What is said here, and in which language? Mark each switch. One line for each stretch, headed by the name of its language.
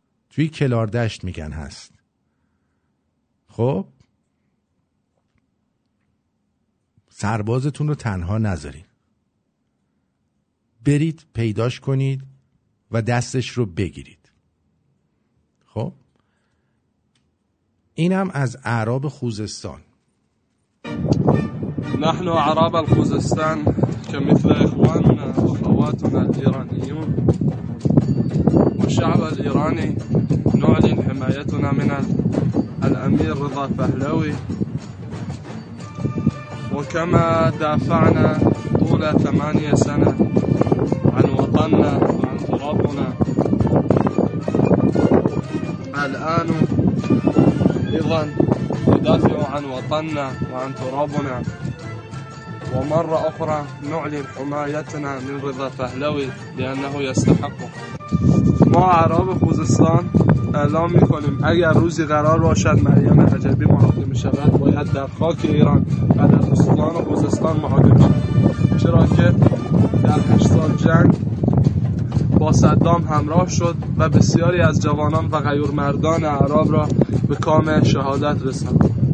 Persian: توی کلاردشت میگن هست. خب سربازتون رو تنها نذارید. برید پیداش کنید و دستش رو بگیرید. خب اینم از اعراب خوزستان.
Arabic: نحن اعراب الخوزستان که مثل اخواننا و اخواتنا الايرانيون والشعب الايراني نعلن حمايتنا من الامير رضا فهلوي وكما دافعنا طول 8 سنة عن وطننا وعن ربنا الآن أيضا ندافع عن وطننا وعن ترابنا ومرة أخرى نعلن حمايتنا من رضا فهلوي لأنه يستحقه.
Persian: ما أعراب خوزستان اعلام میکنیم اگر روزی قرار باشد مریم رجبی محاکمه شود باید در خاک ایران و در استان خوزستان محاکمه شود، چرا که در 8 سال جنگ با صدام همراه شد و بسیاری از جوانان و غیور مردان عرب را به کام شهادت رساند.